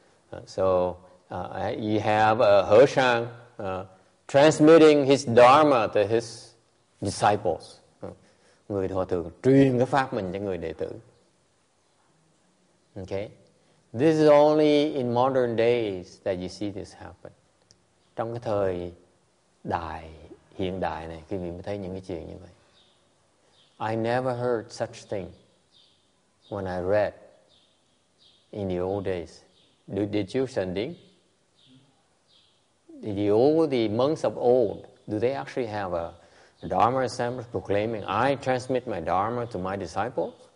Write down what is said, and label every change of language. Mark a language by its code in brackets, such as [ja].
[en] You have a Hớ-sang transmitting his Dharma to his disciples. [vi] Người hòa thượng truyền cái pháp mình cho người đệ tử. [en] Okay? This is only in modern days that you see this happen. [vi] Trong cái thời đại, hiện đại này, quý vị mới thấy những cái chuyện như vậy. [en] I never heard such thing when I read in the old days. Did you, Sanding? The monks of old, do they actually have a Dharma assembly proclaiming, I transmit my Dharma to my disciples?